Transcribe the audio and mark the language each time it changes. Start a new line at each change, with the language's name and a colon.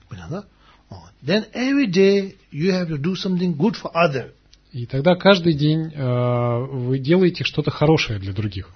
Russian: Понятно? Oh.
English: Then every day you have to do something good for other.
Russian: И тогда каждый день вы делаете что-то хорошее для других.